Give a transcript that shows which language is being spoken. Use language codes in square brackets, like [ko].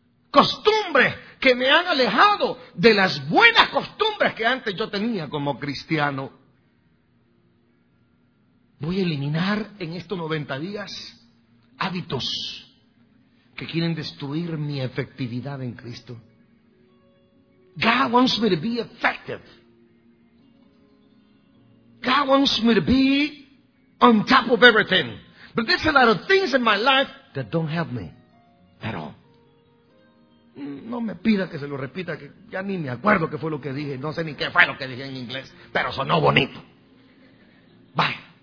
[es] Costumbres que me han alejado de las buenas costumbres que antes yo tenía como cristiano. Voy a eliminar en estos 90 días hábitos que quieren destruir mi efectividad en Cristo. [en] God wants me to be effective. God wants me to be on top of everything. But there's a lot of things in my life that don't help me at all. [es] No me pida que se lo repita, que ya ni me acuerdo qué fue lo que dije. No sé ni qué fue lo que dije en inglés, pero sonó bonito. Vaya.